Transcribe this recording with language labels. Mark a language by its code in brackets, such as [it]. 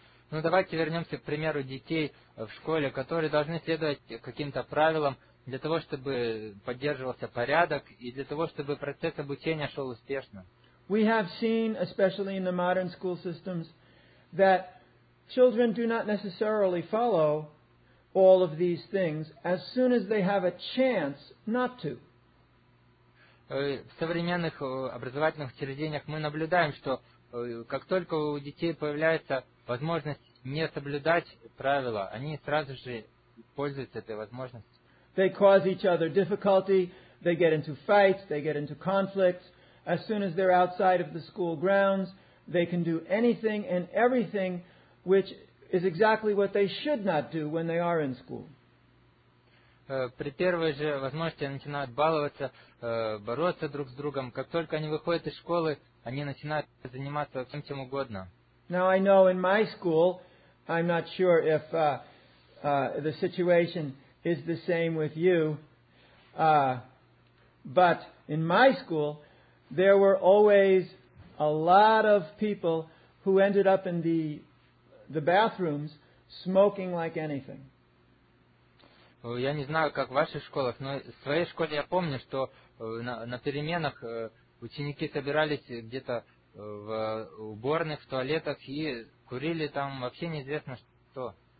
[ru] Ну, давайте вернемся к примеру детей в школе, которые должны следовать каким-то правилам для того, чтобы поддерживался порядок и для того, чтобы процесс обучения шел успешно. [en] We have seen, especially in the modern school systems, that children do not necessarily follow all of these things as soon as they have a chance not to. [ru] В современных образовательных учреждениях мы наблюдаем, что как только у детей появляется возможность не соблюдать правила, они сразу же пользуются этой возможностью. [en] They cause each other difficulty, they get into fights, they get into conflicts. As soon as they're outside of the school grounds, they can do anything and everything, which is exactly what they should not do when they are in school. [ru] При первой же возможности начинают баловаться, бороться друг с другом. Как только они выходят из школы, они начинают заниматься всем, чем угодно. [en] Now I know in my school, I'm not sure if the situation is the same with you, but in my school, there were always a lot of people who ended up in the bathrooms smoking like anything. [ru] Я не знаю, как в ваших школах, но в своей школе я помню, что на переменах ученики собирались где-то в уборных, в туалетах и курили там вообще неизвестно что.